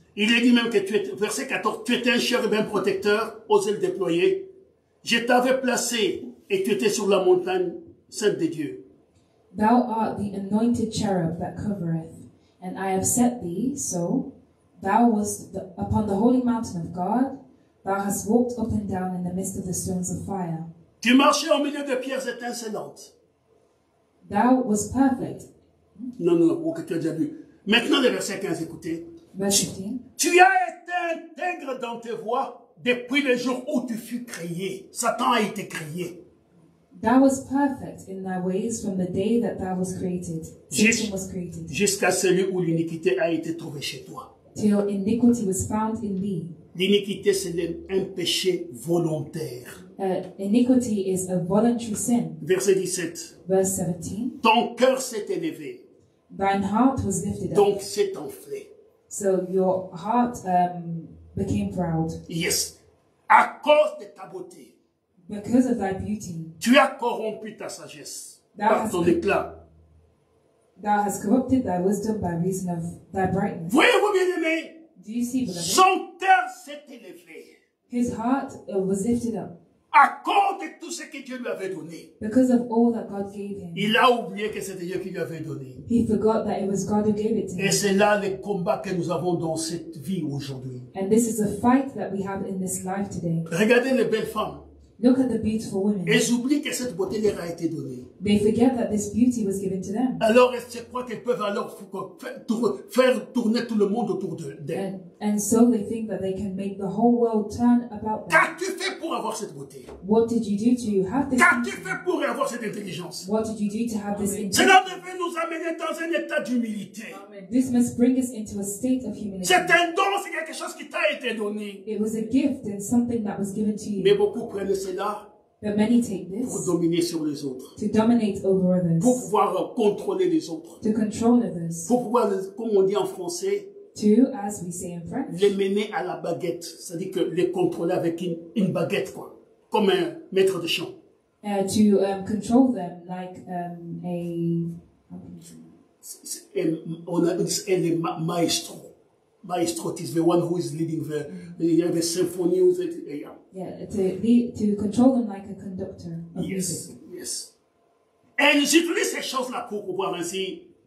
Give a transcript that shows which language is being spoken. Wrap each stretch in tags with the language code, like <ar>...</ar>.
<fr>Il est dit même que tu étais, verset 14, tu étais un chérubin protecteur aux ailes déployées. Je t'avais placé et tu étais sur la montagne sainte de Dieu.</fr> <en>Thou art the anointed cherub that covereth, and I have set thee so. Thou wast upon the holy mountain of God. Thou hast walked up and down in the midst of the stones of fire.</en> <fr>Tu marchais au milieu de pierres étincelantes.</fr> <en>Thou was perfect.</en> <fr>Non, tu as déjà vu. Maintenant, le verset 15, écoutez. Verset 15. Tu as été intègre dans tes voies. Depuis le jour où tu fus créé, Satan a été créé.</fr> <en>Thou was perfect in thy ways from the day that thou was created. Satan was created.</en> <fr>Jusqu'à celui où l'iniquité a été trouvée chez toi.</fr> <en>Till iniquity was found in thee.</en> <fr>L'iniquité, c'est un péché volontaire.</fr> <en>Iniquity is a voluntary sin.</en> <fr>Verset 17.</fr> <en>Verse 17.</en> <fr>Ton cœur s'est élevé.</fr> <en>Thine heart was lifted up.</en> <fr>Donc s'est enflé.</fr> <en>So your heart became proud. Yes.</en> <fr>À cause de ta beauté.</fr> <en>Because of thy beauty.</en> <fr>Tu as corrompu ta sagesse. Par ton éclat.</fr> <en>Thou hast corrupted thy wisdom by reason of thy brightness.</en> <fr>Voyez-vous bien aimé?</fr> <en>Do you see, beloved?</en> <fr>Son cœur s'est élevé.</fr> <en>His heart was lifted up.</en> <fr>À cause de tout ce que Dieu lui avait donné.</fr> <en>Because of all that God gave him.</en> <fr>Il a oublié que c'était Dieu qui lui avait donné.</fr> <en>He forgot that it was God who gave it to</en> <fr>Et</fr> <en>him.</en> <fr>Et c'est là le combat que nous avons dans cette vie aujourd'hui.</fr> <en>And this is a fight that we have in this life today.</en> <fr>Regardez les belles femmes.</fr> <en>Look at the beautiful women.</en> <fr>Elles oublient que cette beauté leur a été donnée.</fr> <en>They forget that this beauty was given to them.</en> <fr>Alors elles croient qu'elles peuvent alors faire tourner tout le monde autour d'elles.</fr> <en>And so they think that they can make the whole world turn about them.</en> <fr>Qu'as-tu fait pour avoir cette beauté?</fr> <en>What did you do to have this?</en> <fr>Qu'as-tu fait pour avoir cette intelligence?</fr> <en>What did you do to have this intelligence?</en> <fr>Cela devait nous amener dans un état d'humilité.</fr> <en>This must bring us into a state of humility.</en> <fr>C'est un don, c'est quelque chose qui t'a été donné.</fr> <en>It was a gift and something that was given to you.</en> <fr>Mais beaucoup prennent cela.</fr> <en>But many take this</en> <fr>pour dominer sur les autres,</fr> <en>to dominate over others,</en> <fr>pour pouvoir contrôler les autres,</fr> <en>to control others,</en> <fr>pour pouvoir, comme on dit en français,</fr> <en>to, as we say in French,</en> <fr>les mener à la baguette, c'est-à-dire que les contrôler avec une baguette, quoi, comme un maître de chant.</fr> <en>To control them like a maestro. Maestro, it is the one who is leading the symphony. To control them like a conductor. Yes.</en> <fr>Et j'utilise ces choses-là pour pouvoir ainsi</fr>